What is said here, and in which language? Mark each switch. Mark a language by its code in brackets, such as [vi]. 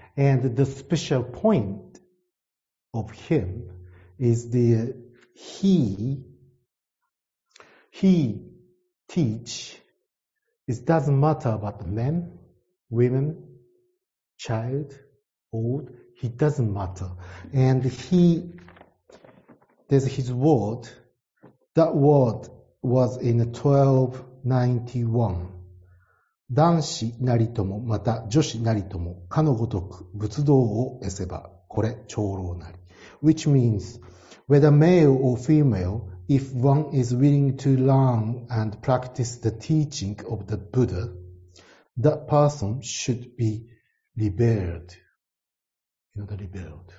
[en] And the special point of him is that he teach, it doesn't matter about men, women, child, old, he doesn't matter. And he, there's his word, that word was in 1291. [ja] 男子なりとも、また女子なりとも、かのごとく仏道を得せば、これ長老なり。 [en] Which means, whether male or female, if one is willing to learn and practice the teaching of the Buddha, that person should be liberated. You know, the liberated.